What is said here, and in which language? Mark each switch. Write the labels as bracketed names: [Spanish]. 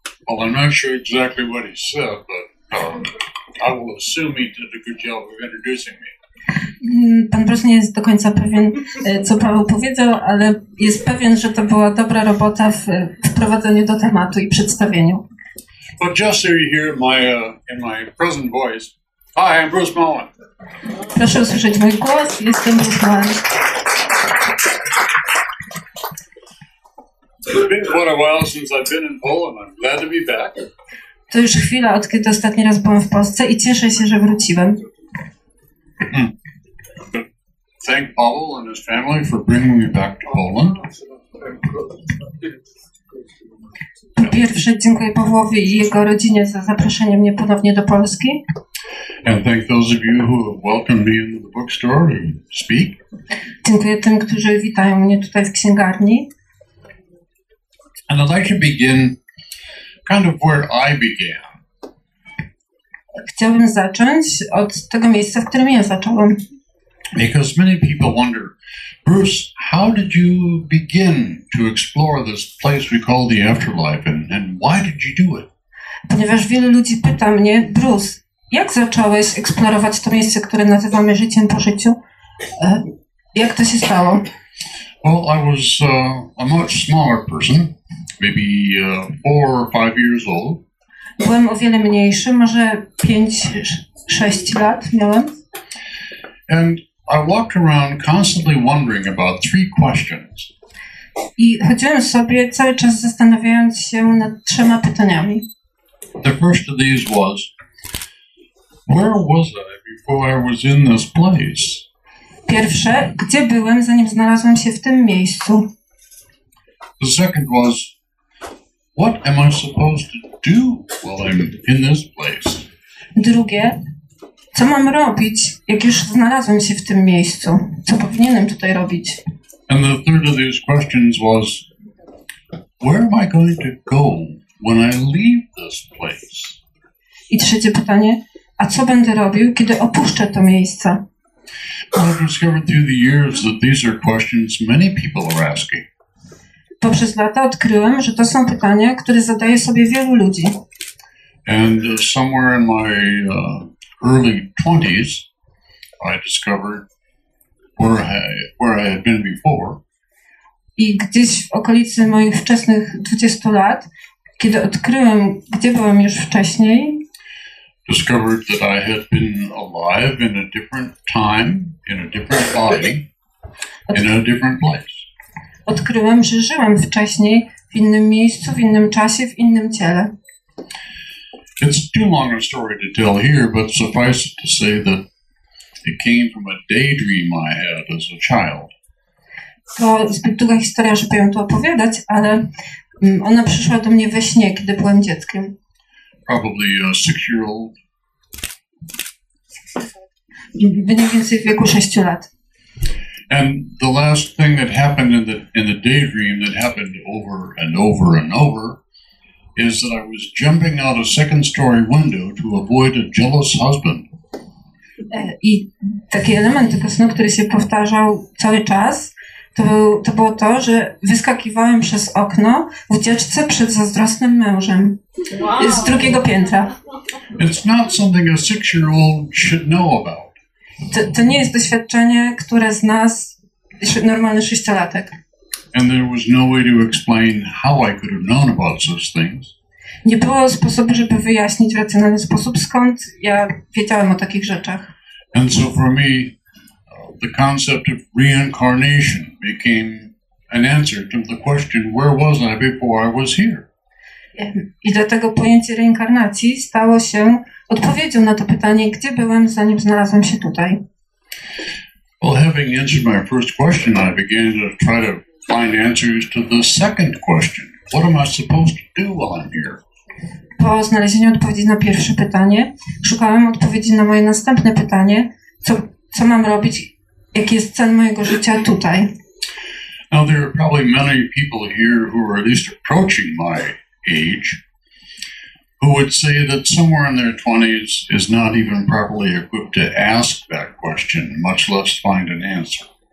[English] Well, I'm not sure exactly what he said, but I will assume he did a good job of introducing me. [Polish] Pan Bruce nie jest do końca pewien, co Paweł powiedział, ale jest pewien, że to była dobra robota w wprowadzeniu do tematu i przedstawieniu. [English] But just so you hear my in my present voice, hi, I'm Bruce Mullen. [Polish] Proszę usłyszeć mój głos, jestem Bruce Mullen. [English] It's been quite a while since I've been in Poland. I'm glad to be back. [Polish] To już chwila, od kiedy ostatni raz byłem w Polsce i cieszę się, że wróciłem. [English] Thank Paul and his family for bringing me back to Poland. [Polish] Po pierwsze, dziękuję Pawłowi i jego rodzinie za zaproszenie mnie ponownie do Polski. [English] And thank those of you who have welcomed me into the bookstore to speak. [Polish] Dziękuję tym, którzy witają mnie tutaj w księgarni. [English] And I'd like to begin kind of where I began. [Polish] Chciałbym zacząć od tego miejsca, w którym ja zacząłem. [English] Because many people wonder, Bruce, how did you begin to explore this place we call the afterlife, and why did you do it? [Polish] Ponieważ wielu ludzi pyta mnie, Bruce, jak zacząłeś eksplorować to miejsce, które nazywamy życiem po życiu? Jak to się stało? [English] Well, I was a much smaller person, maybe 4 or 5 years old. [Polish] Byłem o wiele mniejszy, może 5-6 lat miałem. [English] And I walked around constantly wondering about 3 questions. [Polish] I chodziłem sobie cały czas zastanawiając się nad 3 pytaniami. [English] The first of these was, where was I before I was in this place? [Polish] Pierwsze, gdzie byłem, zanim znalazłem się w tym miejscu? [English] The second was, what am I supposed to do while I'm in this place? [Polish] Drugie, co mam robić, jak już znalazłem się w tym miejscu? Co powinienem tutaj robić? [English] And the third of these questions was, where am I going to go when I leave this place? [Polish] I trzecie pytanie, a co będę robił, kiedy opuszczę to miejsce? [English] I've discovered through the years that these are questions many people are asking. [Polish] Poprzez lata odkryłem, że to są pytania, które zadaje sobie wielu ludzi. [English] And somewhere in my early 20s, I discovered where I had been before. [Polish] I gdzieś w okolicy moich wczesnych 20 lat, kiedy odkryłem, gdzie byłem już wcześniej, [English] discovered that I had been alive in a different time, in a different body, in a different place. [Polish] Odkryłem, że żyłem wcześniej w innym miejscu, w innym czasie, w innym ciele. [English] It's too long a story to tell here, but suffice it to say that it came from a daydream I had as a child. [Polish] To zbyt długa historia, żeby ją tu opowiadać, ale ona przyszła do mnie we śnie, kiedy byłem dzieckiem. [English] Probably a 6-year-old. [Polish] Mniej więcej w wieku 6 lat. [English] And the last thing that happened in the daydream that happened over and over and over is that I was jumping out a second-story window to avoid a jealous husband. [Polish] I taki element tego snu, który się powtarzał cały czas, to było to, że wyskakiwałem przez okno w ucieczce przed zazdrosnym mężem. Wow. Z drugiego piętra. [English] It's not something a 6-year-old should know about. [Polish] To nie jest doświadczenie, które z nas normalny 6-latek. [English] And there was no way to explain how I could have known about such things. [Polish] Nie było sposobu, żeby wyjaśnić w racjonalny sposób, skąd ja wiedziałem o takich rzeczach. [English] And so for me, the concept of reincarnation became an answer to the question, where was I before I was here? [Polish] I dlatego pojęcie reinkarnacji stało się odpowiedzią na to pytanie, gdzie byłem, zanim znalazłem się tutaj. [English] Well, having answered my first question, I began to try to find answers to the second question. What am I supposed to do while I'm here? [Polish] Po znalezieniu odpowiedzi na pierwsze pytanie, szukałem odpowiedzi na moje następne pytanie. Co mam robić? Jaki jest cel mojego życia tutaj? [English] Now, there are probably many people here who are at least approaching my age, who would say that somewhere in their 20s is not even properly equipped to ask that question, much less find an answer.